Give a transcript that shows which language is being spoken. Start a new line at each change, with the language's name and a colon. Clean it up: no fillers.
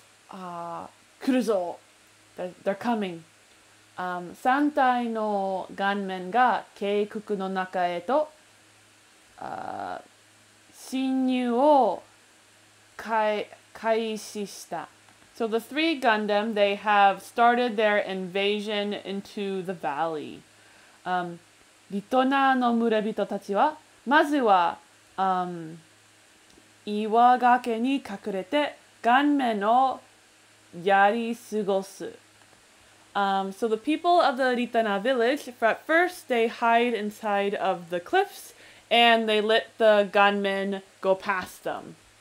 Japanese: 来るぞ!
English: They're coming.
Japanese: 三体の gunman が渓谷の中へと侵入を開始した。
English: So the three Gundam, they have started their invasion into the valley.
Japanese: リトナーの村人たちは、まずは、岩崖に隠れて、ガンメンをやり過ごす。
English: So the people of the リトナー village, at first they hide inside of the cliffs, and they let the gunmen go past them.